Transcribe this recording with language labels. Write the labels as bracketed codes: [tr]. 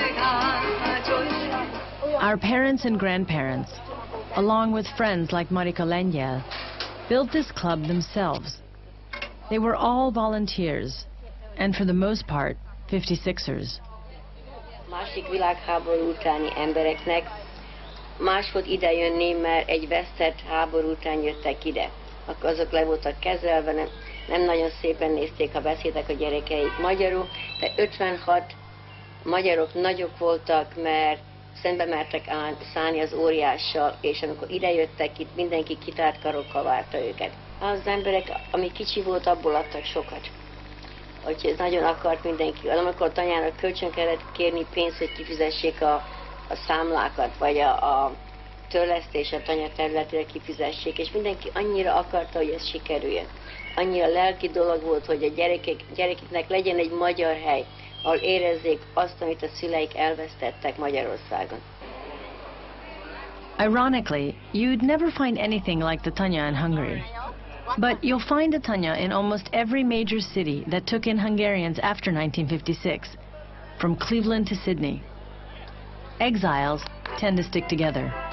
[en] Our parents and grandparents, along with friends like Marika Lenyel, built this club themselves. They were all volunteers, and for the most part, 56ers. [hu] Másik világháború utáni embereknek más volt ide jönni, mert egy vesztett háború után jöttek ide. Azok le voltak kezelve, nem nagyon szépen nézték, ha beszéltek a gyerekeik magyarul, de 56 magyarok nagyok voltak, mert szembe mertek szállni az óriással, és amikor ide jöttek itt, mindenki kitárt karokkal várta őket. Az emberek, ami kicsi volt, abból adtak sokat. Úgyhogy nagyon akart mindenki. Amikor a tanyának kölcsön kellett kérni pénzt, hogy kifizessék a számlákat, vagy a törlesztés a tanya területére kifizessék, és mindenki annyira akarta, hogy ez sikerüljön. Annyira lelki dolog volt, hogy a gyerekeknek legyen egy magyar hely, ahol érezzék azt, amit a szüleik elvesztettek Magyarországon. [en] Ironically, you'd never find anything like the tanya in Hungary. But you'll find a tanya in almost every major city that took in Hungarians after 1956, from Cleveland to Sydney. Exiles tend to stick together.